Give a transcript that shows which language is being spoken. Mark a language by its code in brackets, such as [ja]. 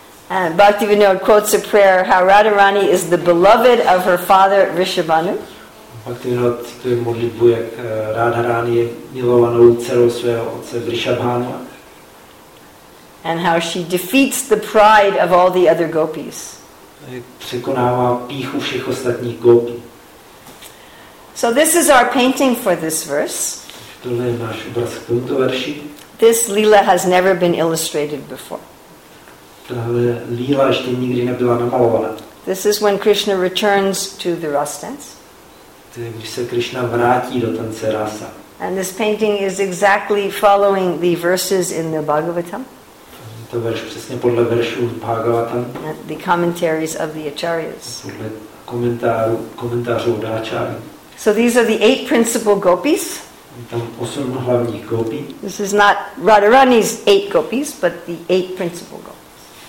[en] And Bhaktivinoda quotes a prayer how Radharani is the beloved of her father, Rishabhanu. [cs] Bhaktivinoda cituje modlitbu, jak Radharani je milovanou dcerou svého otce Vrishabhanu. [en] And how she defeats the pride of all the other gopis. [cs] Překonává píchu všech ostatních gopí. [en] So this is our painting for this verse. [cs] Tohle je náš obraz k tomuto verši. [en] This lila has never been illustrated before. [cs] Tahle lila ještě nikdy nebyla namalována. [en] This is when Krishna returns to the Rasa dance. [cs] Když se Krishna vrátí do tance rasa. [en] And this painting is exactly following the verses in the Bhagavatam. [cs] To verš přesně podle veršů v Bhagavatam. [en] The commentaries of the Acharyas. [cs] Podle komentářů od Acharya. [en] So these are the eight principal gopis. [cs] Tam osm hlavních gopí. [en] This is not Radharani's eight gopis, but the eight principal gopis.